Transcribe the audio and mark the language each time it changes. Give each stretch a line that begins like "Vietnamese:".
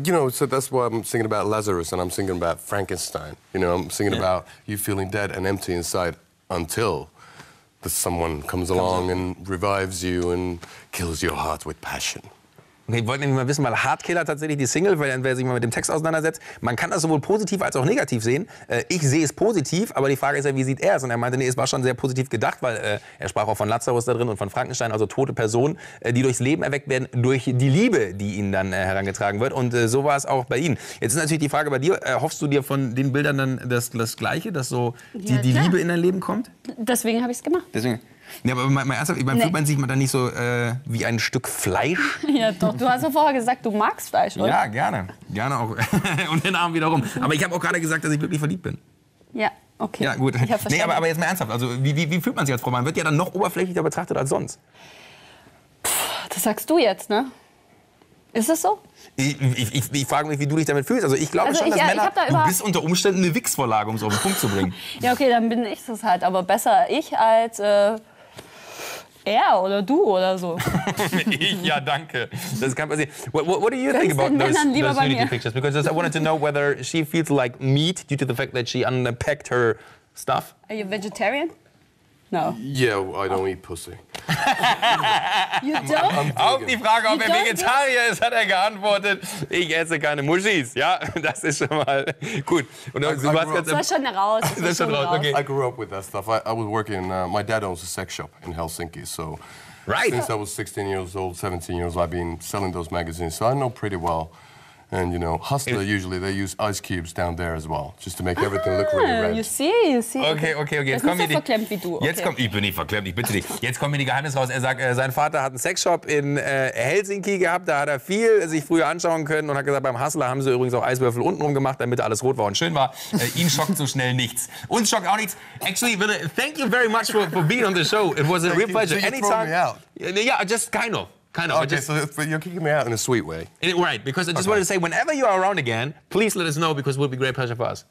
English: So that's why I'm singing about Lazarus and I'm singing about Frankenstein. You know, I'm singing about you feeling dead and empty inside until someone comes along and revives you and kills your heart with passion.
German: Okay, ich wollte nämlich mal wissen, weil Heartkiller tatsächlich die Single, weil wer sich mal mit dem Text auseinandersetzt, man kann das sowohl positiv als auch negativ sehen. Ich sehe es positiv, aber die Frage ist ja, wie sieht er es? Und er meinte, nee, es war schon sehr positiv gedacht, weil er sprach auch von Lazarus da drin und von Frankenstein, also tote Personen, die durchs Leben erweckt werden, durch die Liebe, die ihnen dann herangetragen wird. Und so war es auch bei ihnen. Jetzt ist natürlich die Frage bei dir, hoffst du dir von den Bildern dann das Gleiche, dass so die Liebe in dein Leben kommt? Deswegen habe ich es gemacht. Deswegen. Ja, aber fühlt man sich dann nicht so wie ein Stück Fleisch? Ja, doch. Du hast ja vorher gesagt, du magst Fleisch, oder? Ja, gerne. Gerne auch. Und den Arm wiederum. Aber ich habe auch gerade gesagt, dass ich wirklich verliebt bin. Ja, okay. Ja, gut. Nee, aber jetzt mal ernsthaft. Also, wie fühlt man sich als Frau? Man wird ja dann noch oberflächlicher betrachtet als sonst. Puh, das sagst du jetzt, ne? Ist das so? Ich frage mich, wie du dich damit fühlst. Also ich glaube du bist unter Umständen eine Wichsvorlage, um es auf den Punkt zu bringen. Ja, okay, dann bin ich das halt. Aber besser ich als er oder du oder so. Ja, danke. Das kann passieren.
English: What do you think about those nudity pictures? Because I wanted to know whether she feels like meat due to the fact that she unpacked her stuff. Are you a vegetarian? No. Yeah, I don't eat pussy. You don't?
German: Auf die Frage, ob er Vegetarier ist, hat er geantwortet, ich esse keine Muschis. Ja, das ist schon mal gut. Und Das war schon raus.
English: Okay. I grew up with that stuff. I was working, my dad owns a sex shop in Helsinki, so... Right. Since I was 16 years old, 17 years old, I've been selling those magazines, so I know pretty well And you know, Hustler usually they use ice cubes down there as well, just to make everything look really red. You see. Okay.
German: Jetzt komm, nicht so verklemmt wie du. Okay. Jetzt komm, ich bin nicht verklemmt, ich bitte dich. Jetzt kommen mir die Geheimnisse raus. Er sagt, sein Vater hat einen Sexshop in Helsinki gehabt. Da hat er viel sich früher anschauen können und hat gesagt, beim Hustler haben sie übrigens auch Eiswürfel untenrum gemacht, damit alles rot war und schön war. Ihn schockt so schnell nichts. Uns schockt auch nichts.
English: Actually, Wille, thank you very much for being on the show. It was a real pleasure. So you anytime. Throw me out. Yeah, just kind of. Kind of, okay, but you're kicking me out in a sweet way. Right, because I just wanted to say, whenever you are around again, please let us know, because it will be a great pleasure for us.